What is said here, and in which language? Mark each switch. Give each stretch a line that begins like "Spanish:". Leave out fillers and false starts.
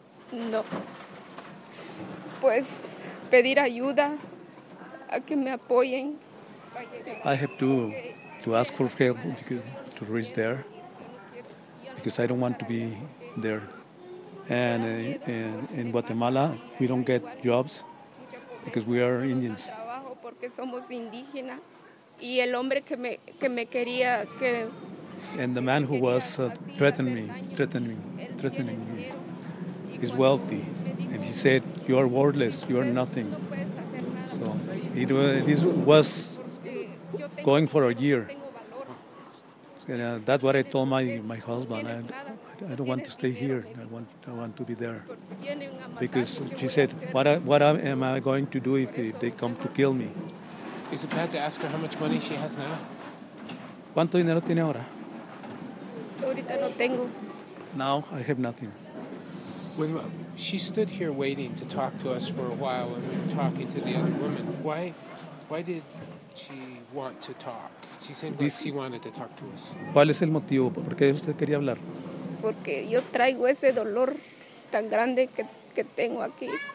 Spanish: No. Pues pedir ayuda a que me apoyen.
English: I have to ask for help to reach there because I don't want to be there. And in Guatemala, we don't get jobs because we are Indians.
Spanish: Porque somos indígena y el hombre que me quería que
English: and the man who was threatening me is wealthy and he said you are worthless, you are nothing. So this was going for a year. And, that's what I told my husband. I don't want to stay here. I want to be there. Because she said, what am I going to do if they come to kill me? Is it bad to ask her how much money she has now?
Spanish: ¿Cuánto dinero tiene ahora? Ahorita no tengo.
English: Now I have nothing. When she stood here waiting to talk to us for a while and we were talking to the other woman, why did she want to talk? She said she wanted to talk to us.
Spanish: ¿Cuál es el motivo? ¿Por qué usted quería hablar? Porque yo traigo ese dolor tan grande que tengo aquí.